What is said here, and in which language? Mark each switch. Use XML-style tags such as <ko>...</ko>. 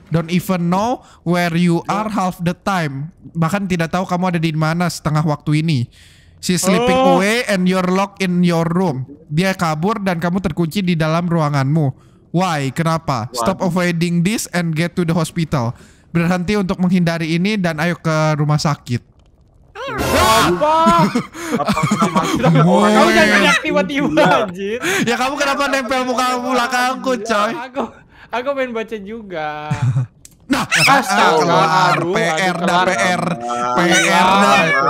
<en>Don't even know where you are half the time.</en> <id>Bahkan tidak tahu kamu ada di mana setengah waktu ini.</id> <en>She's sleeping away and you're locked in your room.</en> <id>Dia kabur dan kamu terkunci di dalam ruanganmu.</id> <en>Why?</en> <id>Kenapa?</id> <en>What? Stop avoiding this and get to the hospital.</en> <id>Berhenti untuk menghindari ini dan ayo ke rumah sakit. Apa? Kamu jangan teriak tiba-tiba, anjir. Ya kamu kenapa nempel muka belakangku, coy? Aku pengen baca juga. Nah, kelar PR dah PR. PR dah.</id>